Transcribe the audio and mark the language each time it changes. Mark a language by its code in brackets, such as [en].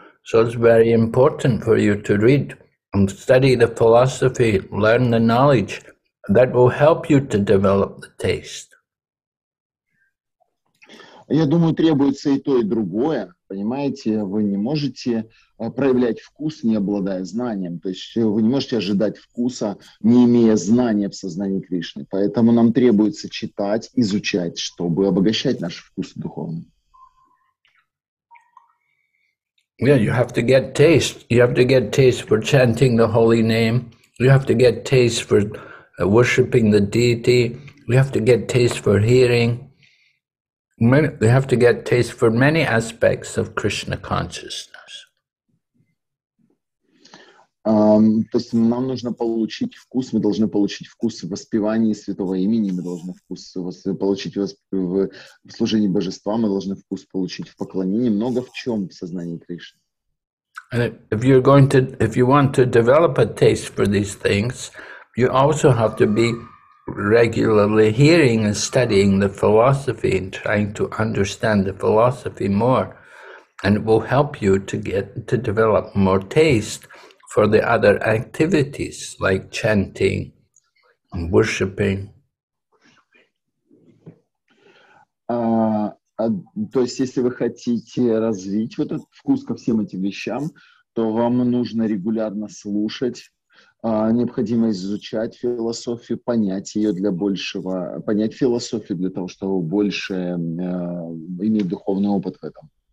[en] So it's very important for you to read and study the philosophy, learn the knowledge that will help you to develop the taste. [ru] Я думаю, требуется и то, и другое. Понимаете, вы не можете проявлять вкус, не обладая знанием. То есть вы не можете ожидать вкуса, не имея знания в сознании Кришны. Поэтому нам требуется читать, изучать, чтобы обогащать наш вкус духовный. [en] Yeah, you have to get taste. You have to get taste for chanting the holy name. You have to get taste for worshiping the deity. You have to get taste for hearing. We have to get taste for many aspects of Krishna consciousness. [ru] То есть нам нужно получить вкус, мы должны получить вкус в воспевании святого имени, мы должны вкус получить в служении божества, мы должны вкус получить в поклонении, много в чем в сознании Кришны. [en] And if you're going to, if you want to develop a taste for these things, you also have to be regularly hearing and studying the philosophy and trying to understand the philosophy more, and it will help you to get to develop more taste for the other activities like chanting and worshiping. [ru] То есть если вы хотите развить вот этот вкус ко всем этим вещам, то вам нужно регулярно слушать. Необходимо изучать философию, понять ее для большего, понять философию для того, чтобы больше иметь духовный опыт в этом.